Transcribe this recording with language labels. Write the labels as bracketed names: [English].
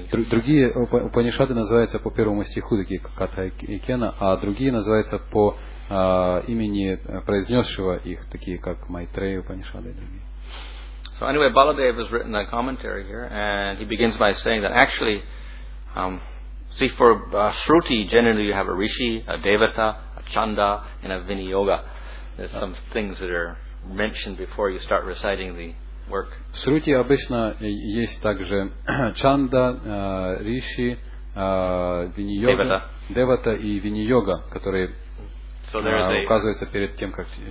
[Russian] Другие Упанишады называются по первому стиху, такие как Катха и Кена, а другие называются по имени произнесшего их, такие как Майтрея Упанишады и другие. [English] So anyway, Baladev has written a commentary here, and he begins by saying that actually, see, for Shruti, generally you have a Rishi, a Devata, a Chanda, and a Viniyoga. There's some things that are mentioned before you start reciting the work. [Russian] В Shruti обычно есть также Чанда, Риши, Виньи-йога, Девата и Виньи-йога, которые [English] So there is [Russian] указывается перед тем, как